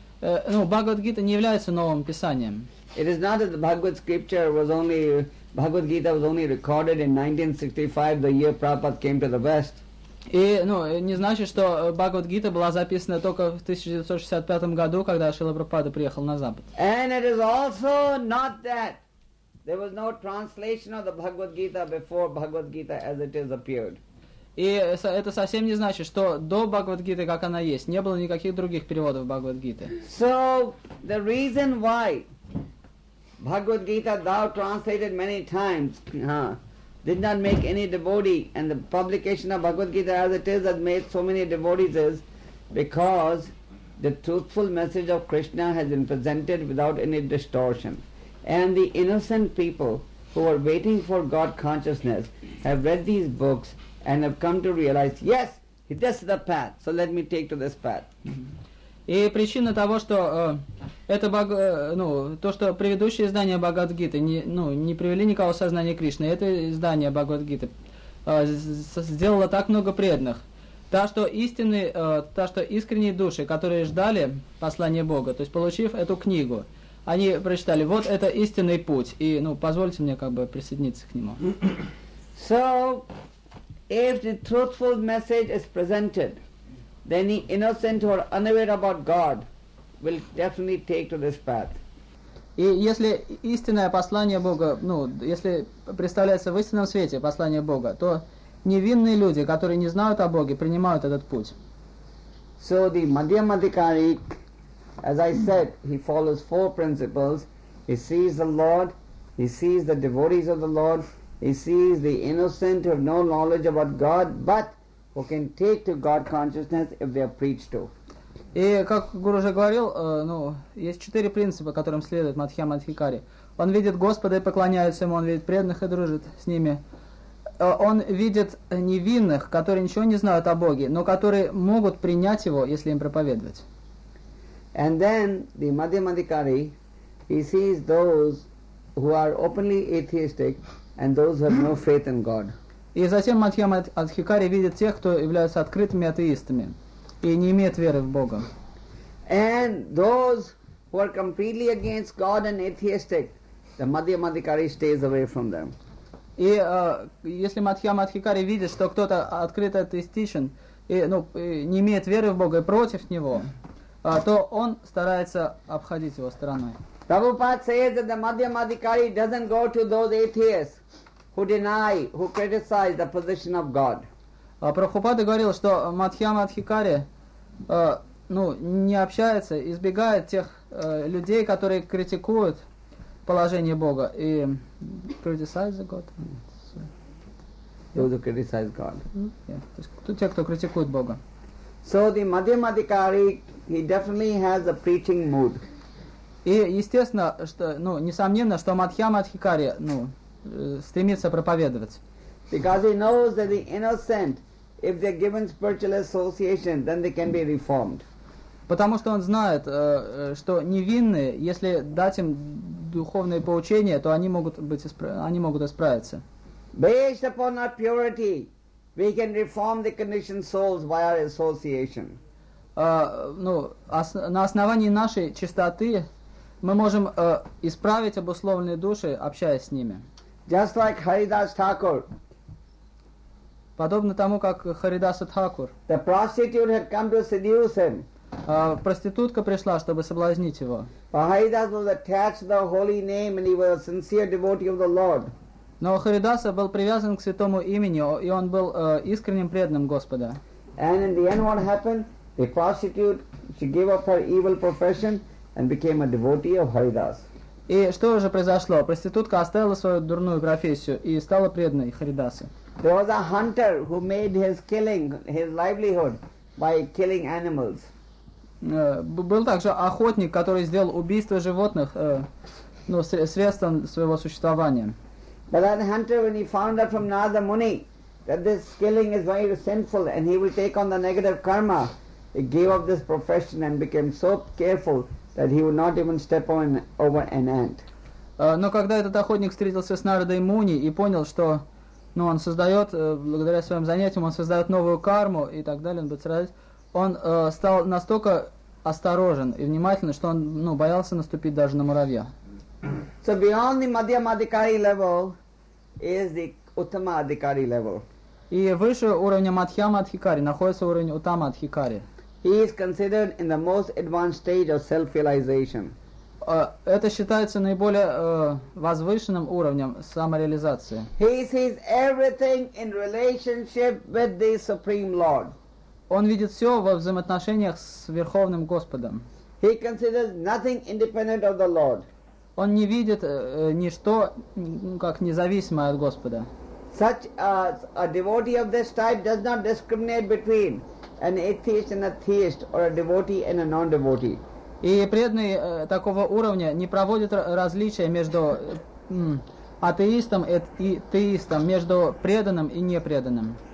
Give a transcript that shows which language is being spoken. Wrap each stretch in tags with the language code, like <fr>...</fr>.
<ru>Бхагавад-гита не является новым писанием.</ru> <en>It is not that the Bhagavad-scripture was only... Bhagavad Gita was only recorded in 1965, the year Prabhupada came to the West.</en> <ru>И, не значит, что Бхагавад Гита была записана только в 1965 году, когда Шрила Прабхупада приехал на Запад.</ru> <en>And it is also not that there was no translation of the Bhagavad Gita before Bhagavad Gita as it is appeared.</en> <ru>И это совсем не значит, что до Бхагавад Гиты, как она есть, не было никаких других переводов Бхагавад Гиты.</ru> <en>So the reason why Bhagavad Gita, thou translated many times, did not make any devotee, and the publication of Bhagavad Gita as it is has made so many devotees is because the truthful message of Krishna has been presented without any distortion. And the innocent people who are waiting for God consciousness have read these books and have come to realize, yes, This is the path, so let me take to this path.</en> <ru>И причина того, что это ну, то, что предыдущее издание Бхагавад-гиты не привели никого в сознание Кришны, это издание Бхагавад-гиты сделало так много преданных. Что искренние души, которые ждали послания Бога, то есть получив эту книгу, они прочитали, вот это истинный путь, и, ну, позвольте мне как бы присоединиться к нему.</ru> <en>So, if the truthful message is presented, then the innocent or unaware about God will definitely take to this path.</en> <ru>И если истинное послание Бога, ну, если представляется в истинном свете послание Бога, то невинные люди, которые не знают о Боге, принимают этот путь.</ru> <en>So the Madhyamadhikari, as I said, he follows four principles. He sees the Lord, he sees the devotees of the Lord, he sees the innocent who have no knowledge about God, but who can take to God consciousness if they are preached to.</en> <ru>И как Гуру уже говорил, есть четыре принципа, которым следует Мадхья-мадхикари. Он видит Господа и поклоняется ему, он видит преданных и дружит с ними. Он видит невинных, которые ничего не знают о Боге, но которые могут принять его, если им проповедовать.</ru> <en>And then the Madhya-madhikari, he sees those who are openly atheistic and those who have no faith in God.</en> <ru>И затем Мадхья-мадхикари видит тех, кто являются открытыми атеистами и не имеет веры в Бога.</ru> <en>And those who are completely against God and atheistic, the Madhya-madhikari stays away from them.</en> <ru>И если Мадхья-мадхикари видит, что кто-то открыто атеистичен и, ну, и не имеет веры в Бога и против него, то он старается обходить его стороной.</ru> <en>Prabhupada says that the Madhya-madhikari doesn't go to those atheists who deny, who criticize the position of God.</en> <ru>Прабхупада говорил, что Мадхья-мадхикари не общается, избегает тех людей, которые критикуют положение Бога и</ru> <en>criticize God. Those who criticize God.</en> <ru>Те, кто критикует Бога.</ru> <en>So the Madhya-madhikari, he definitely has a preaching mood.</en> <ru>И естественно, что, ну, несомненно, что Мадхья-мадхикари, ну, стремится проповедовать.</ru> <en>Because he knows that the innocent, if they're given spiritual association, then they can be reformed.</en> <ru>Потому что он знает, что невинные, если дать им духовные поучения, то они могут быть исправиться.</ru> <en>Based upon our purity, we can reform the conditioned souls by our association.</en> <ru>На основании нашей чистоты мы можем исправить обусловленные души, общаясь с ними.</ru> <en>Just like Haridas Thakur.</en> <ru>Подобно тому, как Харидаса Тхакур.</ru> <en>The prostitute had come to seduce him.</en> <ru>Проститутка пришла, чтобы соблазнить его.</ru> <en>Haridas was attached to the holy name and he was a sincere devotee of the Lord.</en> <ru>Но Харидаса был привязан к святому имени, и он был искренним преданным Господа.</ru> <en>And in the end what happened? The prostitute, she gave up her evil profession and became a devotee of Haridas.</en> <ru>И что же произошло? Проститутка оставила свою дурную профессию и стала преданной Харидасы.</ru> <en>There was a hunter who made his killing, his livelihood by killing animals.</en> <ru>Был также охотник, который сделал убийство животных средством своего существования.</ru> <en>But that hunter, when he found out from Narada Muni that this killing is very sinful and he will take on the negative karma, he gave up this profession and became so careful that he would not even step on over an ant.</en> <ru>Но когда этот охотник встретился с Нарадой Муни и понял, что он создает, благодаря своим занятиям, он создает новую карму и так далее, он будет сразить. Он стал настолько осторожен и внимательный, что он боялся наступить даже на муравья.</ru> <en>So beyond the Madhya-madhikari level is the Uttama-adhikari level.</en> <ru>И выше уровня Мадхья-мадхикари находится уровень Уттама-адхикари.</ru> <en>He is considered in the most advanced stage of self-realization.</en> <ru>Это считается наиболее возвышенным уровнем самореализации.</ru> <en>He sees everything in relationship with the Supreme Lord.</en> <ru>Он видит все во взаимоотношениях с Верховным Господом.</ru> <en>He considers nothing independent of the Lord.</en> <ru>Он не видит ничто как независимое от Господа.</ru> <en>Such a devotee of this type does not discriminate between an atheist and a theist, or a devotee and a non-devotee.</en> <ru>И преданный такого уровня не проводит различия между атеистом и теистом, между преданным и непреданным.</ru>